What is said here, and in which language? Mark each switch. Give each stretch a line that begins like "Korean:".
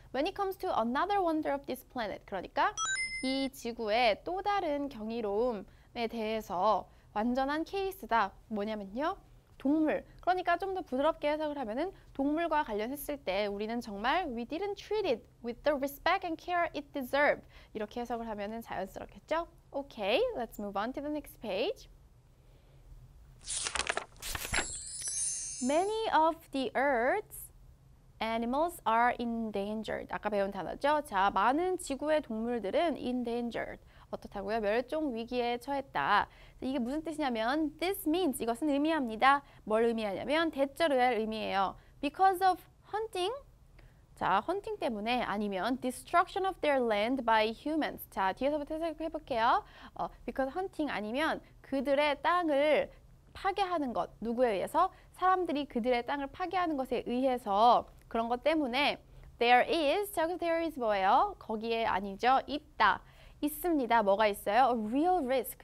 English: When it comes to another wonder of this planet.
Korean: 그러니까 이 지구의 또 다른 경이로움에 대해서 완전한 케이스다. 뭐냐면요. 동물. 그러니까 좀 더 부드럽게 해석을 하면은 동물과 관련했을 때 우리는 정말
English: we didn't treat it with the respect and care it deserved.
Korean: 이렇게 해석을 하면은 자연스럽겠죠?
English: Okay, let's move on to the next page. Many of the Earth's animals are endangered.
Korean: 아까 배운 단어죠? 자, 많은 지구의 동물들은 endangered. 어떻다고요? 멸종 위기에 처했다. 이게 무슨 뜻이냐면
English: this means,
Korean: 이것은 의미합니다. 뭘 의미하냐면 대절의 의미예요.
English: Because of hunting, 자, hunting 때문에 아니면 destruction of their land by humans.
Korean: 자, 뒤에서부터 해석해볼게요.
English: Because hunting
Korean: 아니면 그들의 땅을 파괴하는 것, 누구에 의해서? 사람들이 그들의 땅을 파괴하는 것에 의해서 그런 것 때문에 there is, 저기서 there is 뭐예요? 거기에 아니죠? 있다. 있습니다. 뭐가 있어요?
English: A real risk.